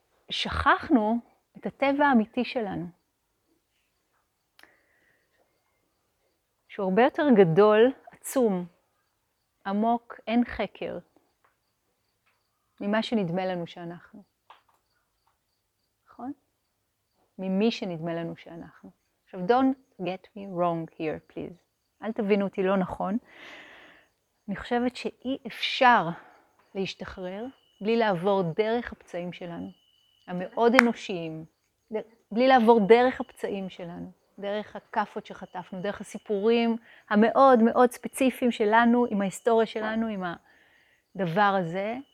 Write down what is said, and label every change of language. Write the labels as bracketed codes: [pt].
[he] ושכחנו את הטבע האמיתי שלנו. שהוא הרבה יותר גדול, עצום, עמוק, אין חקר, ממה שנדמה לנו שאנחנו. נכון? ממי שנדמה לנו שאנחנו. עכשיו, [en] don't get me wrong here, please. [he] אל תבינו אותי לא נכון. אני חושבת שאי אפשר להשתחרר בלי לעבור דרך הפצעים שלנו, המאוד אנושיים, בלי לעבור דרך הפצעים שלנו, דרך הכפות שחטפנו, דרך הסיפורים המאוד מאוד ספציפיים שלנו, עם ההיסטוריה שלנו, עם הדבר הזה.